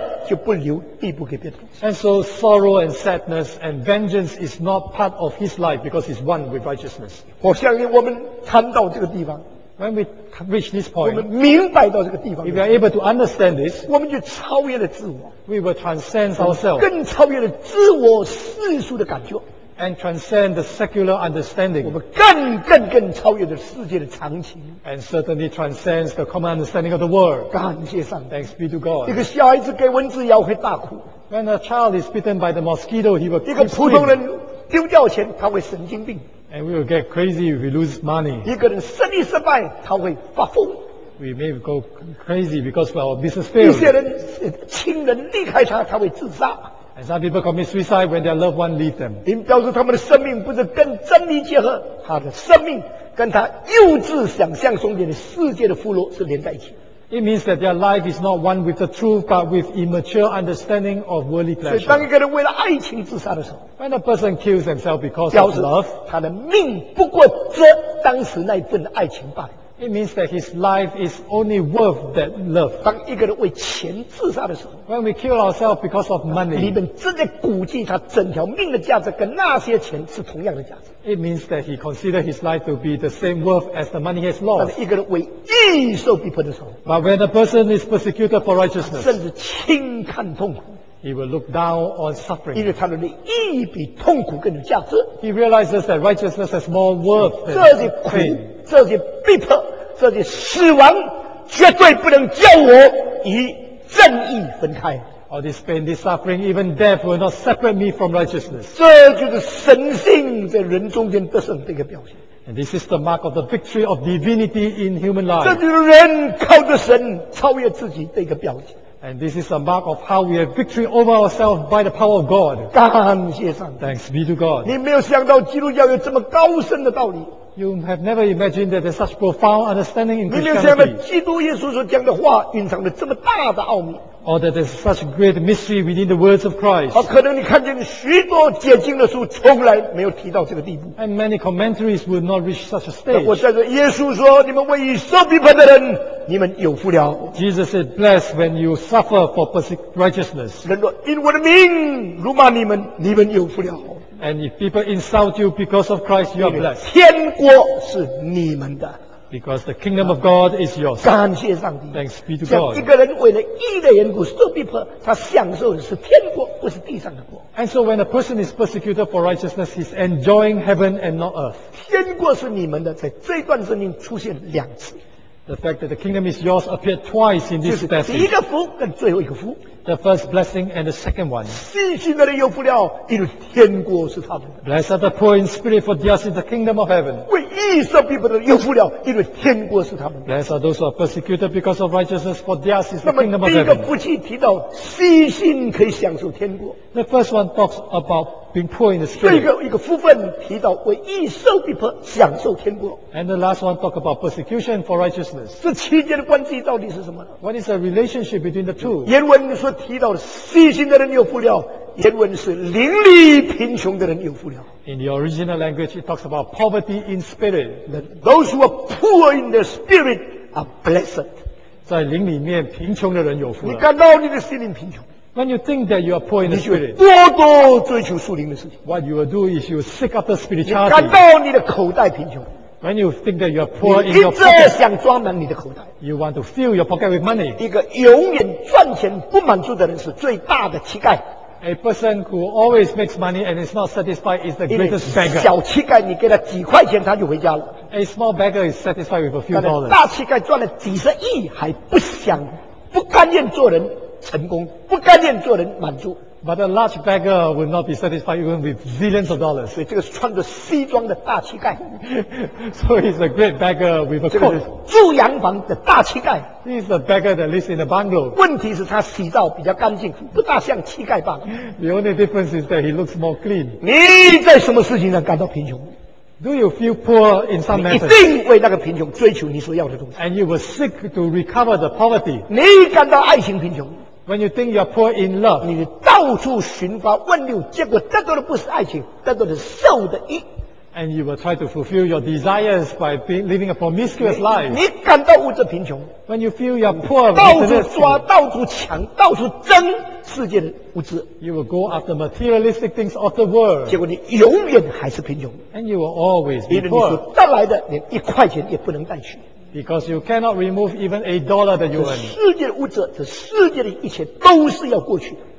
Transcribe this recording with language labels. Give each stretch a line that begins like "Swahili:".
Chinese: 就不留地步给别人。
English: And so sorrow and sadness and vengeance is not part of his life because he's one with righteousness.
Chinese: 我相信我们谈到这个地方。
English: When we reach this point,
Chinese: 我们明白到这个地方。
English: If we are able to understand this,
Chinese: 我们就超越了自我。
English: We will transcend ourselves.
Chinese: 更超越了自我世俗的感觉。
English: And transcend the secular understanding.
Chinese: 我们更超越了世界的常情。
English: And certainly transcends the common understanding of the world.
Chinese: 感谢上帝。
English: Thanks be to God.
Chinese: 一个小孩子给蚊子咬会大哭。
English: When a child is bitten by the mosquito, he will.
Chinese: 一个普通人丢掉钱，他会神经病。
English: And we will get crazy if we lose money.
Chinese: 一个人生意失败，他会发疯。
English: We may go crazy because our business fails.
Chinese: 一些人亲人离开他，他会自杀。
English: And some people commit suicide when their loved one leaves them.
Chinese: 因表示他们的生命不是跟真理结合，他的生命跟他幼稚想象中间的世界的俘虏是连在一起。
English: It means that their life is not one with the truth, but with immature understanding of worldly pleasure.
Chinese: 所以当一个人为了爱情自杀的时候，
English: when a person kills himself because of love,
Chinese: 他的命不过这当时那一份爱情罢了。
English: It means that his life is only worth that love.
Chinese: 当一个人为钱自杀的时候，
English: when we kill ourselves because of money,
Chinese: 里面正在估计他整条命的价值跟那些钱是同样的价值。
English: It means that he considers his life to be the same worth as the money he has lost.
Chinese: 但是一个人为义受逼迫的时候，
English: but when a person is persecuted for righteousness,
Chinese: 甚至轻看痛苦，
English: He will look down on suffering.
Chinese: 因为他们的意义比痛苦更有价值。
English: He realizes that righteousness has more worth than pain.
Chinese: 这些苦，这些逼迫，这些死亡，绝对不能叫我与正义分开。
English: All this pain, this suffering, even death will not separate me from righteousness.
Chinese: 这就是神性在人中间得胜的一个表现。
English: And this is the mark of the victory of divinity in human life.
Chinese: 这就是人靠着神超越自己的一个表现。
English: And this is a mark of how we have victory over ourselves by the power of God.
Chinese: 感谢上帝。
English: Thanks be to God.
Chinese: 你没有想到基督教有这么高深的道理。
English: You have never imagined that there's such profound understanding in Christianity.
Chinese: 你没有想到基督耶稣所讲的话蕴藏着这么大的奥秘。
English: Or that there's such great mystery within the words of Christ.
Chinese: 可能你看见许多解经的书从来没有提到这个地步。
English: And many commentaries would not reach such a stage.
Chinese: 我在这耶稣说，你们为以受逼迫的人，你们有福了。
English: Jesus said, "Blessed when you suffer for righteousness."
Chinese: 人若因我的名辱骂你们，你们有福了。
English: And if people insult you because of Christ, you are blessed.
Chinese: 天国是你们的。
English: Because the kingdom of God is yours.
Chinese: 感谢上帝。
English: Thanks be to God.
Chinese: 像一个人为了义的缘故受逼迫，他享受的是天国，不是地上的国。
English: And so when a person is persecuted for righteousness, he's enjoying heaven and not earth.
Chinese: 天国是你们的，在这段圣经出现两次。
English: The fact that the kingdom is yours appeared twice in this passage.
Chinese: 就是第一个福跟最后一个福。
English: The first blessing and the second one.
Chinese: 信心的人有福了，因为天国是他们的。
English: Blessed are the poor in spirit, for theirs is the kingdom of heaven.
Chinese: 为义受逼迫的人有福了，因为天国是他们的。
English: Blessed are those who are persecuted because of righteousness, for theirs is the kingdom of
Chinese: heaven. 那么第一个福气提到信心可以享受天国。
English: The first one talks about being poor in the spirit.
Chinese: 一个福分提到为义受逼迫享受天国。
English: And the last one talks about persecution for righteousness.
Chinese: 这期间的关系到底是什么？
English: What is the relationship between the two?
Chinese: 原文说。提到信心的人有福了，原文是邻里贫穷的人有福了。
English: In the original language, it talks about poverty in spirit. Those who are poor in their spirit are blessed.
Chinese: 在灵里面贫穷的人有福了。你感到你的心灵贫穷。
English: When you think that you are poor in the spirit,
Chinese: 你就多多追求属灵的事情。
English: What you will do is you will seek after spirituality.
Chinese: 你感到你的口袋贫穷。
English: When you think that you are poor in your pocket,
Chinese: 你一直想装满你的口袋。
English: You want to fill your pocket with money.
Chinese: 一个永远赚钱不满足的人是最大的乞丐。
English: A person who always makes money and is not satisfied is the greatest beggar.
Chinese: 小乞丐你给他几块钱他就回家了。
English: A small beggar is satisfied with a few dollars.
Chinese: 大乞丐赚了几十亿还不想，不甘愿做人成功，不甘愿做人满足。
English: But a large beggar would not be satisfied even with zillions of dollars.
Chinese: 所以这个穿着西装的大乞丐。
English: So he's a great beggar with a coat.
Chinese: 住洋房的大乞丐。
English: He's a beggar that lives in a bungalow.
Chinese: 问题是他洗澡比较干净，不大像乞丐吧。
English: The only difference is that he looks more clean.
Chinese: 你在什么事情上感到贫穷？
English: Do you feel poor in some matters?
Chinese: 你一定为那个贫穷追求你所要的东西。
English: And you will seek to recover the poverty.
Chinese: 你感到爱情贫穷。
English: When you think you're poor in love,
Chinese: 你到处寻花问柳，结果得到的不是爱情，得到的是兽的欲。
English: And you will try to fulfill your desires by living a promiscuous life.
Chinese: 你感到物质贫穷。
English: When you feel you're poor,
Chinese: 到处抓，到处抢，到处争世界的物质。
English: You will go after materialistic things of the world.
Chinese: 结果你永远还是贫穷。
English: And you will always be poor.
Chinese: 因为你所带来的连一块钱也不能带去。
English: Because you cannot remove even a dollar that you earn.
Chinese: 世界的物质，这世界的一切都是要过去的。